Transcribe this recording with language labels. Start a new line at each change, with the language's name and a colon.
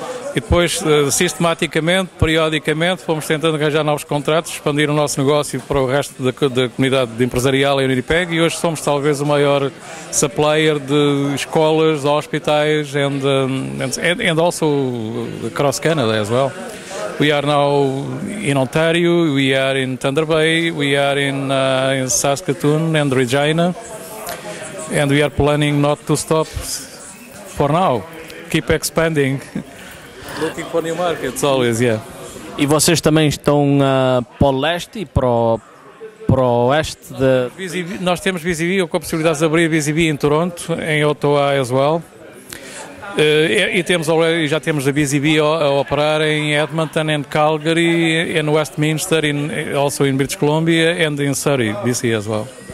Portuguese: E depois, sistematicamente, periodicamente, fomos tentando arranjar novos contratos, expandir o nosso negócio para o resto da comunidade de empresarial em Winnipeg, e hoje somos talvez o maior supplier de escolas, hospitais,
English: and also across Canada as well. We are now in Ontario, we are in Thunder Bay, we are in Saskatoon and Regina, and we are planning not to stop for now, keep expanding. Looking for new markets always, yeah.
Portuguese: E vocês também estão para o leste e para o oeste de... Nós temos Busy Bee, ou com a possibilidade de abrir Busy Bee em Toronto, em Ottawa
English: as well.
Portuguese: E já temos a Busy Bee a operar em Edmonton, em Calgary, em Westminster,
English: also in British Columbia, and in Surrey, BC as well.